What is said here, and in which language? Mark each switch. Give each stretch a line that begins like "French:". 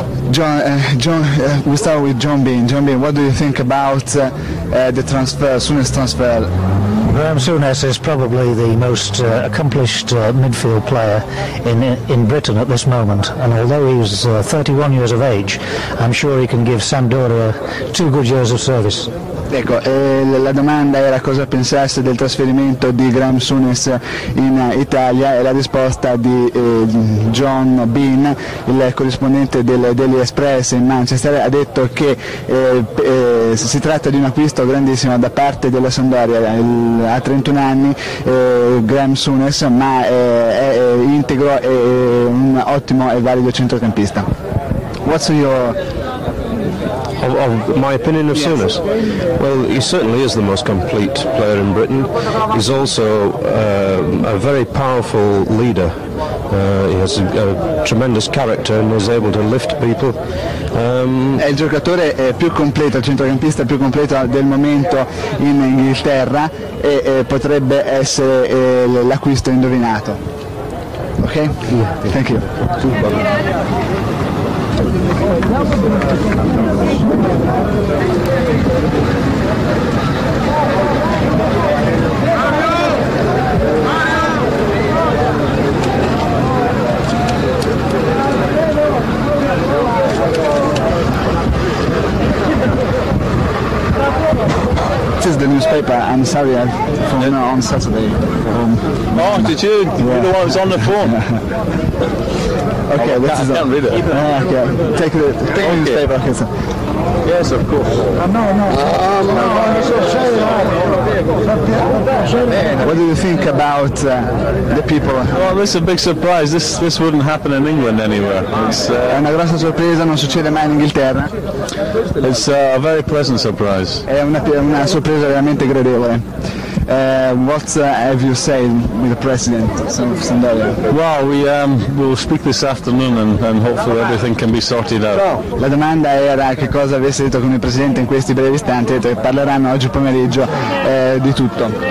English: John, we start with John Bean. John Bean, what do you think about the transfer, Souness transfer? Graham Souness is probably the most accomplished midfield player in Britain at this moment, and although he's 31 years of age, I'm sure he can give Sampdoria two good years of service.
Italian: Ecco, la domanda era cosa pensasse del trasferimento di Graham Souness in Italia e la risposta di John Bean, il corrispondente del Daily Express in Manchester, ha detto che si tratta di un acquisto grandissimo da parte della Sampdoria. Ha 31 anni Graham Souness, ma è integro e un ottimo e valido centrocampista.
English: What's your Of my opinion of Souness? Well, he certainly is the most complete player in Britain. He's also a very powerful leader. He has a tremendous character and is able to lift people.
Italian: È il giocatore più completo, il centrocampista più completo del momento in Inghilterra e potrebbe essere l'acquisto indovinato.
English: Ok? Thank you. This is the newspaper. I'm sorry, I phoned on Saturday. Oh, did you? You're the one who's on the phone. Okay, this is on. Read it. Okay, take the newspaper. Okay, sir. Yes, of course. What do you think about the people? Well, this is a big surprise. This wouldn't happen in England anywhere.
Italian: È una grossa sorpresa, non succede mai in Inghilterra.
English: It's a very pleasant surprise.
Italian: È una sorpresa veramente gradevole.
English: What have you said with the president of Sampdoria? Well, we'll speak this afternoon and hopefully everything can be sorted out.
Italian: La domanda era che cosa avesse detto con il presidente in questi brevi istanti, e parleranno oggi pomeriggio di tutto.